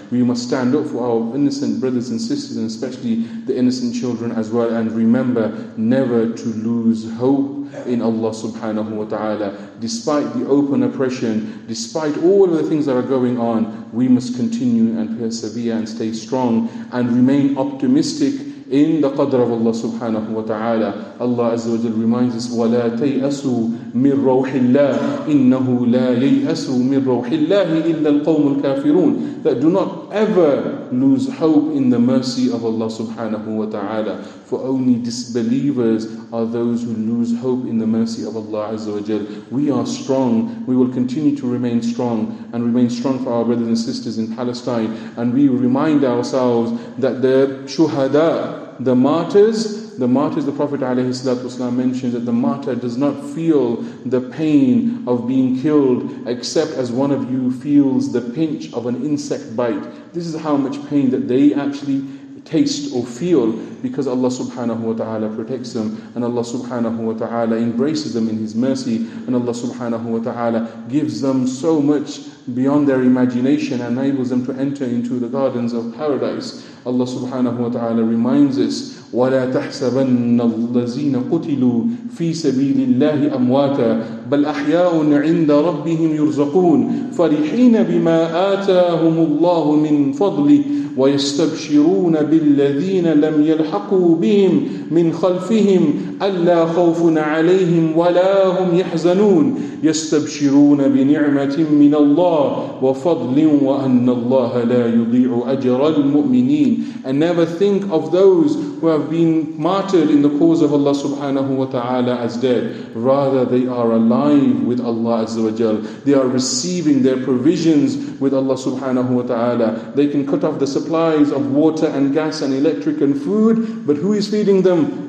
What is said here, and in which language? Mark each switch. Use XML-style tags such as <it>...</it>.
<en>We must stand up for our innocent brothers and sisters, and especially the innocent children as well, and remember never to lose hope in Allah subhanahu wa ta'ala. Despite the open oppression, despite all of the things that are going on, we must continue and persevere and stay strong and remain optimistic in the qadr of Allah subhanahu wa ta'ala. Allah azza wa jalla reminds us,</en> <ar>وَلَا تَيْأَسُوا مِنْ رَوْحِ اللَّهِ إِنَّهُ لَا يَيْأَسُوا مِنْ رَوْحِ اللَّهِ إِلَّا الْقَوْمُ الْكَافِرُونَ.</ar> <en>That do not ever lose hope in the mercy of Allah subhanahu wa ta'ala. For only disbelievers are those who lose hope in the mercy of Allah azza wa jalla. We are strong. We will continue to remain strong and remain strong for our brothers and sisters in Palestine. And we remind ourselves that the shuhada, the martyrs, the Prophet alayhi salatu wasalam mentions that the martyr does not feel the pain of being killed except as one of you feels the pinch of an insect bite. This is how much pain that they actually taste or feel, because Allah subhanahu wa ta'ala protects them, and Allah subhanahu wa ta'ala embraces them in His mercy, and Allah subhanahu wa ta'ala gives them so much beyond their imagination and enables them to enter into the gardens of paradise. Allah subhanahu wa ta'ala reminds us,</en> <ar>وَلَا تَحْسَبَنَّ الَّذِينَ قُتِلُوا فِي سَبِيلِ اللَّهِ أَمْوَاتًا بَلْ أَحْيَاءٌ عِنْدَ رَبِّهِمْ يُرْزَقُونَ فَرِحِينَ بِمَا آتَاهُمُ اللَّهُ مِنْ فَضْلِهِ وَيَسْتَبْشِرُونَ بِالَّذِينَ لَمْ يَلْحَقُوا بِهِمْ مِنْ خَلْفِهِمْ أَلَّا خَوْفٌ عَلَيْهِمْ وَلَا هُمْ يَحْزَنُونَ يَسْتَبْشِرُونَ بِنِعْمَةٍ مِّنَ اللَّهِ وَفَضْلٍ وَأَنَّ اللَّهَ لَا يُضِيعُ أَجْرَ الْمُؤْمِنِينَ.</ar> <en>And never think of those who have been martyred in the cause of Allah subhanahu wa ta'ala as dead. Rather, they are alive with Allah azza wa jal. They are receiving their provisions with Allah subhanahu wa ta'ala. They can cut off the supplies of water and gas and electric and food, but who is feeding them?</en>